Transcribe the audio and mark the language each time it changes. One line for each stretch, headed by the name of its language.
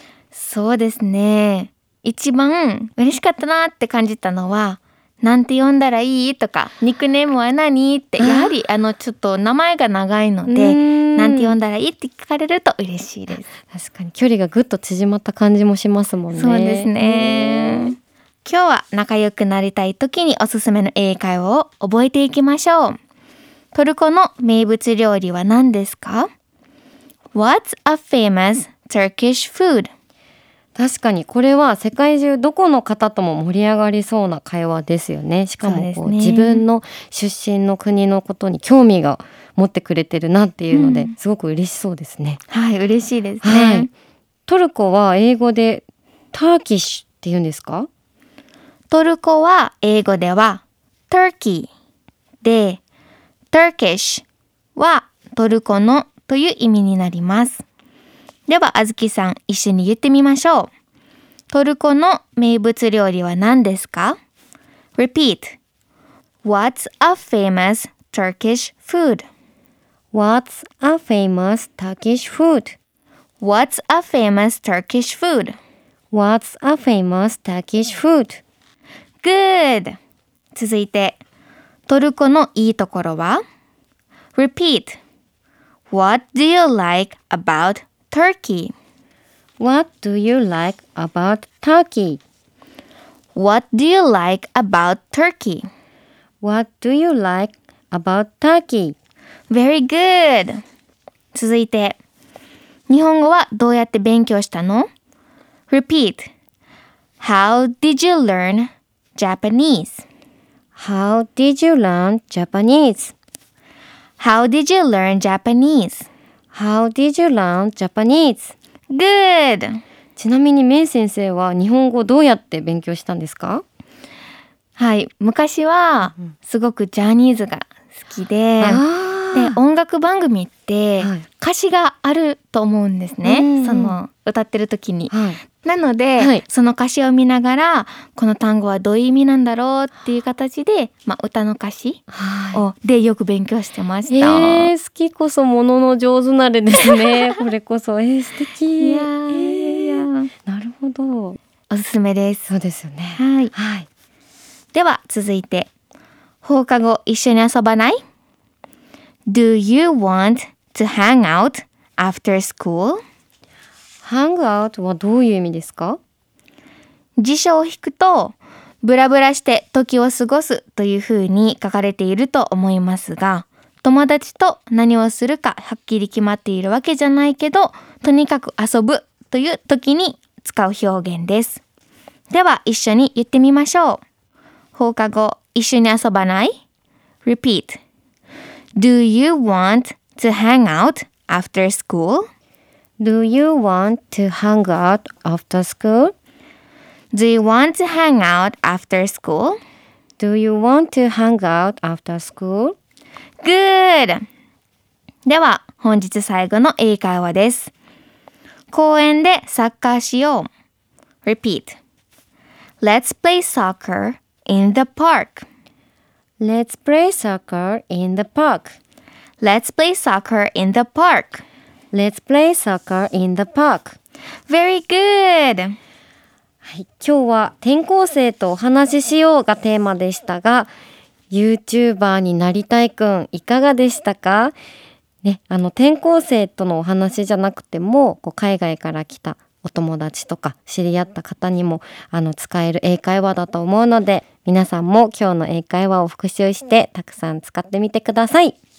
Japanese: そうですね、一番嬉しかったなって感じたのは、なんて呼んだらいいとか、ニックネームは何って、やはりちょっと名前が長いので、なんて呼んだらいいって聞かれると嬉しいです。確かに距離がぐっと縮まった感じもしますもんね。そうですね。今日は仲良くなりたい時におすすめの英会話を覚えていきましょう。トルコの名物料理は何ですか？
English: What's a famous Turkish food?
Japanese: 確かにこれは世界中どこの方とも盛り上がりそうな会話ですよね。しかもこう自分の出身の国のことに興味が持ってくれてるなっていうので、すごく嬉しそうですね、うん、はい、嬉しいですね、はい、トルコは英語でターキッシュって言うんですか？トルコは英語ではターキーで、ターキッシュはトルコのという意味になります。ではあずきさん、一緒に言ってみましょう。トルコの名物料理は何ですか？
English: Repeat. What's a famous Turkish food? What's a famous Turkish food? What's a famous Turkish food? What's a famous Turkish food? Good.
Japanese: 続いて、トルコのいいところは？
English: Repeat. What do you like aboutTurkey. What do you like about Turkey? What do you like about Turkey? What do you like about Turkey? Very good.
Japanese: 続いて、日本語はどうやって勉強したの？
English: Repeat. How did you learn Japanese? How did you learn Japanese? How did you learn Japanese? How did you learn Japanese? Good!
Japanese: ちなみにメイ先生は日本語をどうやって勉強したんですか？はい、昔はすごくジャニーズが好き で、 で音楽番組って歌詞があると思うんですね、はい、その歌ってる時に、はい、なので、はい、その歌詞を見ながら、この単語はどういう意味なんだろうっていう形で、まあ、歌の歌詞を、はい、でよく勉強してました。好きこそものの上手なれですね。これこそ、素敵。いや、なるほど。おすすめです。そうですよね。はい。はい、では続いて、放課後一緒に遊ばない？
English: Do you want to hang out after school?
Japanese: Hang out はどういう意味ですか？辞書を引くと、ブラブラして時を過ごすというふうに書かれていると思いますが、友達と何をするかはっきり決まっているわけじゃないけど、とにかく遊ぶという時に使う表現です。では一緒に言ってみましょう。放課後一緒に遊ばない？
English: Repeat. Do you want to hang out after school? Do you want to hang out after school? Do you want to hang out after school? Do you want to hang out after school? Good!
Japanese: では、本日最後の英会話です。公園でサッカーしよう。
English: Repeat. Let's play soccer in the park. Let's play soccer in the park. Let's play soccer in the park. Let's play soccer in the park. Very good!
Japanese: はい、今日は転校生とお話ししようがテーマでしたが、YouTuber になりたいくんいかがでしたか？ね、転校生とのお話じゃなくても、こう海外から来たお友達とか知り合った方にも使える英会話だと思うので、皆さんも今日の英会話を復習してたくさん使ってみてください。